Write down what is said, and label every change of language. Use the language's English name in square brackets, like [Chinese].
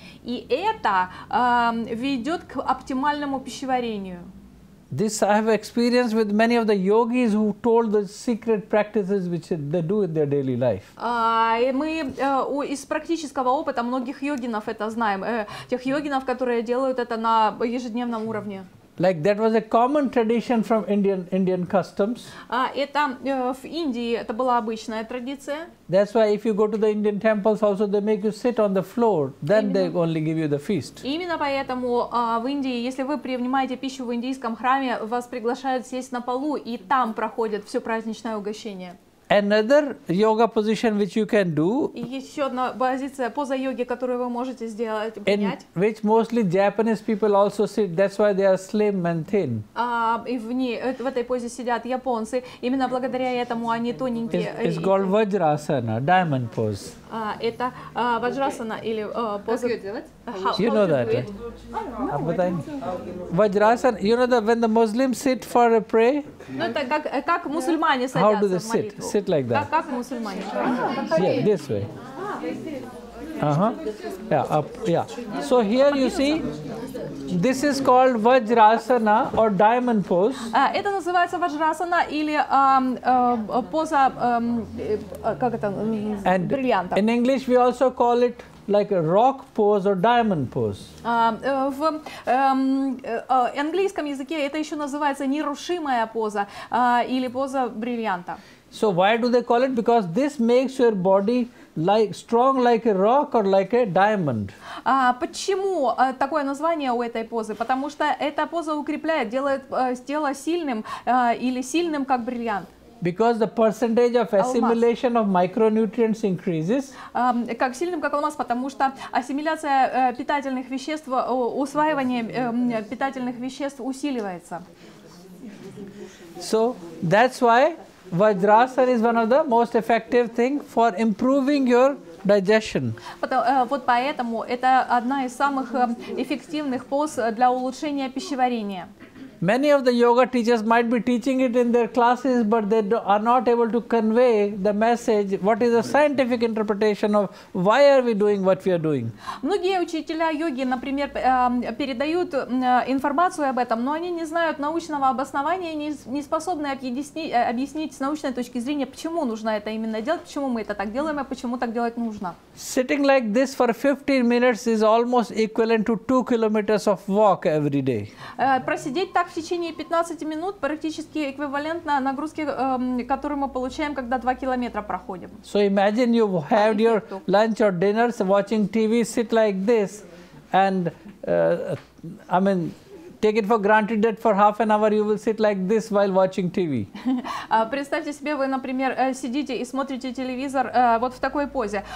[Russian] И это ведет к оптимальному пищеварению. [English] This I have experienced with many of the yogis who told the secret practices which they do in their daily life. [Russian] Мы из практического опыта многих йогинов это знаем, тех йогинов, которые делают это на ежедневном уровне. [English] Like that was a common tradition from Indian customs. [Russian] Это в Индии это была обычная традиция. [English] That's why if you go to the Indian temples also they make you sit on the floor, then [Russian] именно, [English] they only give you the feast. [Russian] Именно поэтому в Индии, если вы принимаете пищу в индийском храме, вас приглашают сесть на полу, и там проходит все праздничное угощение. [English] Another yoga position which you can do. [Russian] Еще одна позиция, поза йоги, которую вы можете сделать, принять. [English] Which mostly Japanese people also sit. That's why they are slim and thin. [Russian] И в этой позе сидят японцы. Именно благодаря этому они тоненькие. [English] It's called Vajrasana, diamond pose. [Russian] Это Vajrasana или поза. [English] You know that. Vajrasana. You know that when the Muslims sit for a prayer. [Russian] Ну это как мусульмане садятся. [English] How do they sit? Sit like that. [Russian] Как мусульмане? [English] Yeah, this way. Yeah, up. Yeah. So here you see, this is called Vajrasana or diamond pose. [Russian] Это называется Vajrasana или поза как это бриллианта. [English] In English, we also call it like a rock pose or diamond pose. [Russian] В английском языке это еще называется нерушимая поза или поза бриллианта. [English] So why do they call it? Because this makes your body like strong like a rock or like a diamond. [Russian] Почему такое название у этой позы? Потому что эта поза укрепляет, делает тело сильным или сильным как бриллиант. [English] Because the percentage of assimilation of micronutrients increases. [Russian] Как сильным, как алмаз, потому что ассимиляция питательных веществ, усваивание питательных веществ усиливается. [English] So that's why Vajrasana is one of the most effective thing for improving your digestion. [Russian] Вот поэтому это одна из самых эффективных поз для улучшения пищеварения. [English] Many of the yoga teachers might be teaching it in their classes, but they are not able to convey the message. What is the scientific interpretation of why are we doing what we are doing? [Russian] Многие учителя йоги, например, передают информацию об этом, но они не знают научного обоснования и не способны объяснить с научной точки зрения, почему нужно это именно делать, почему мы это так делаем и почему так делать нужно. [English] Sitting like this for 15 minutes is almost equivalent to 2 kilometers of walk every day. [Russian] Просидеть в течение 15 минут практически эквивалентно нагрузке, которую мы получаем, когда 2 километра проходим. [English] So imagine you have your lunch or dinners, watching TV, sit like this, and I mean, take it for granted that for half an hour you will sit like this while watching TV. [Russian] Представьте себе, вы, например, сидите и смотрите телевизор вот в такой позе.